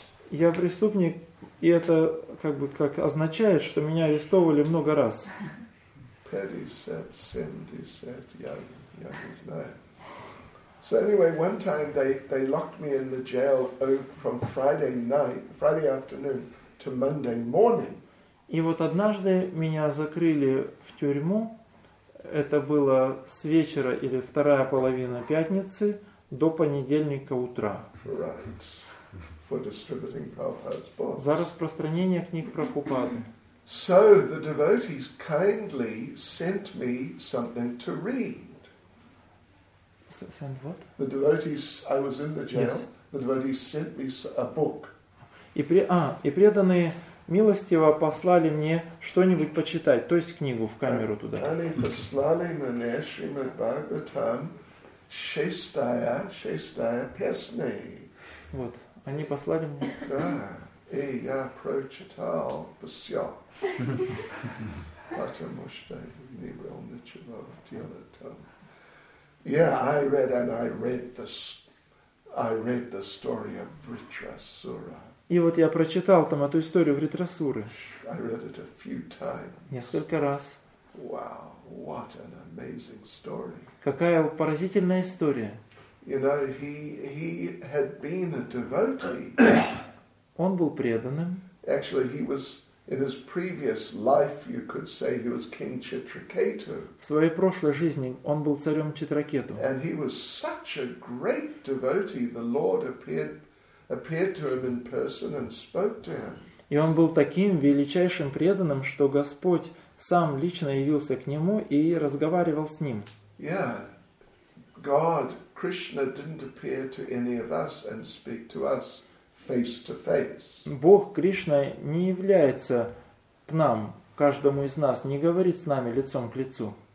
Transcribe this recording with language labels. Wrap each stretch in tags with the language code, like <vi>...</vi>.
<ru>Я преступник, и это как бы как означает, что меня арестовывали много раз. 50, 70, я не знаю.</ru> <en>So anyway, one time they locked me in the jail from Friday afternoon to Monday morning.</en> <ru>И вот однажды меня закрыли в тюрьму. Это было с вечера или вторая половина пятницы до понедельника утра.</ru> <en>Right. For distributing Prabhupada's books.</en> <ru>За распространение книг Прабхупады.</ru> <en>So the devotees kindly sent me something to read. Sent what? The devotees, I was in the jail. Yes. The devotees sent me a book.</en> <ru>И преданные милостиво послали мне что-нибудь почитать, то есть книгу в камеру туда. Они послали мне Шримад Бхагаватам шестая песня. Вот, они послали мне. Да, и я прочитал все. Потому что не был ничего делать там.</ru> <en>Yeah, I read the story of Vritrasura.</en> <ru>И вот я прочитал там эту историю Вритрасуры.</ru> <en>I read it a few times.</en> <ru>Несколько раз.</ru> <en>Wow, what an amazing story.</en> <ru>Какая поразительная история.</ru> <en>You know, he had been a devotee.</en> <ru>Он был преданным.</ru> <en>Actually, he was in his previous life, you could say he was King Chitraketu.</en> <ru>В своей прошлой жизни он был царем Читракету.</ru> <en>And he was such a great devotee, the Lord appeared to him in person and spoke to him.</en> <ru>И он был таким величайшим преданным, что Господь сам лично явился к нему и разговаривал с ним.</ru> <en>Yeah. God, Krishna didn't appear to any of us and speak to us face to face.</en> <ru>Бог Кришна не является к нам, каждому из нас, не говорит с нами лицом к лицу.</ru>